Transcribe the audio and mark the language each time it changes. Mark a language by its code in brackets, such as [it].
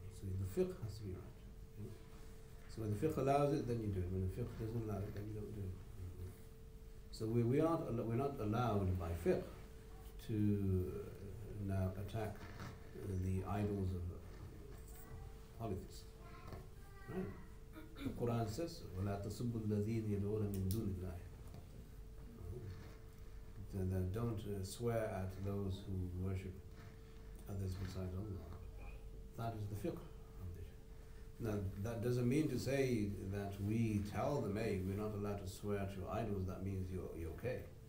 [en] So the fiqh has to be right. So when the fiqh allows it, then you do it. When the fiqh doesn't allow it, then you don't do it. So we're not allowed by fiqh to now attack the idols of polytheists. Right? The Quran says, [ar] وَلَا تَصُبُّ الَّذِينَ يَدْعُونَ مِن دُونِ اللَّهِ. [en] Then don't swear at those who worship others besides Allah. That is the fiqh of this. Now, that doesn't mean to say that we tell them, hey, we're not allowed to swear to idols, that means you're okay.